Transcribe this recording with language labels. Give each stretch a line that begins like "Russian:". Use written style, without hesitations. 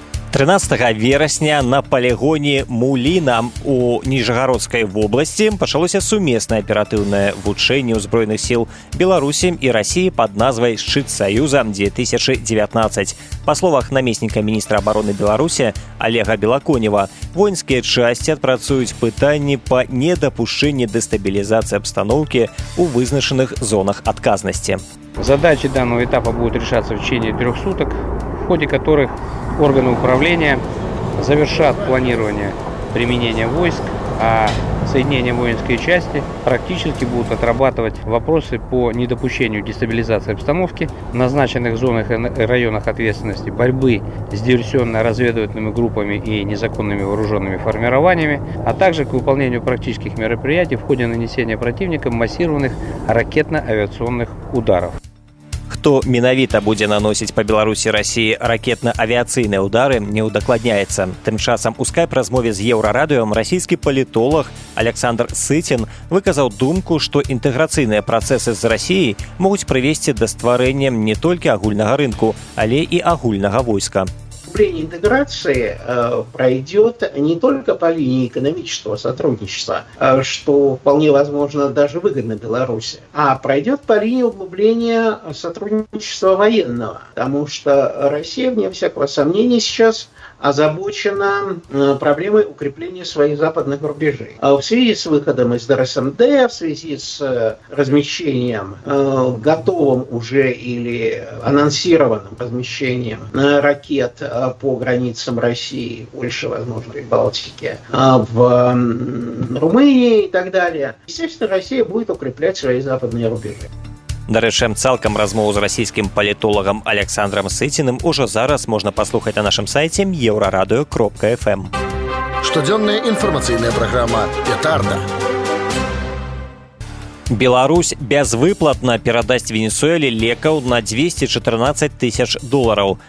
Belarusian: 13 верасня на палігоне Муліна у Ніжагародскай вобласці пачалося сумеснае аператыўнае вучэнне ўзброеных сіл Беларусі і Расіі пад назвай «Шчыт Саюза 2019». Па словах намесніка міністра абароны Беларусі Алега Белаконева, воінскія часці адпрацуюць пытанні па недапушчэнні дэстабілізацыі абстаноўкі ў вызначаных зонах адказнасці.
Russian: Задачі данного этапа будуць рішацца ў течение 3 суток, у ходзе которых органы управления завершат планирование применения войск, а соединения воинской части практически будут отрабатывать вопросы по недопущению дестабилизации обстановки в назначенных зонах и районах ответственности, борьбы с диверсионно-разведывательными группами и незаконными вооруженными формированиями, а также к выполнению практических мероприятий в ходе нанесения противникам массированных ракетно-авиационных ударов.
Belarusian: Хто менавіта будзе наносіць па Беларусі Расіі ракетна-авіяцыйныя ўдары, не ўдакладняецца. Тым часам у скайп-размове з Еўрарадыём расійскі палітолаг Александр Сыцін выказаў думку, што інтэграцыйныя працэсы з Расіяй могуць прывесці да стварэння не толькі агульнага рынку, але і агульнага войска.
Russian: Укрепление интеграции пройдет не только по линии экономического сотрудничества, что вполне возможно даже выгодно Беларуси, а пройдет по линии углубления сотрудничества военного, потому что Россия, вне всякого сомнения, сейчас озабочена проблемой укрепления своих западных рубежей. В связи с выходом из ДРСМД, в связи с размещением, готовым уже или анонсированным размещением ракет по границам России, Польши, возможно, и Балтики, в Румынии и так далее, естественно, Россия будет укреплять свои западные рубежи.
Belarusian: Дарэчы, цалкам размову з расійскім палітолагам Александрам Сыціным ужо зараз можна паслухаць на нашым сайце euroradio.fm. Штодзённая інфармацыйная праграма «Петарда». Беларусь безвыплатна перадасць Венесуэле лекаў на 214 тысяч долараў.